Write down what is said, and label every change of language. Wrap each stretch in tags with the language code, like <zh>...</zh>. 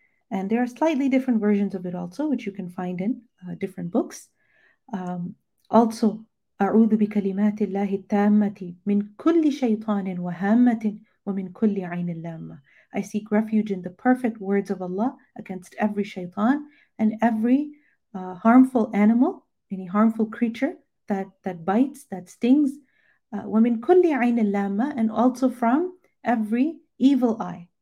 <en>And there are slightly different versions of it also, which you can find in different books.</en> <ar>Also, أعوذ بكلمات الله التامة من كل شيطان وهامة ومن كل عين لامة.</ar> <en>I seek refuge in the perfect words of Allah against every shaitan and every harmful animal, any harmful creature that bites, that stings.</en> <ar>ومن كل عين لامة,</ar> <en>and also from every evil eye.</en>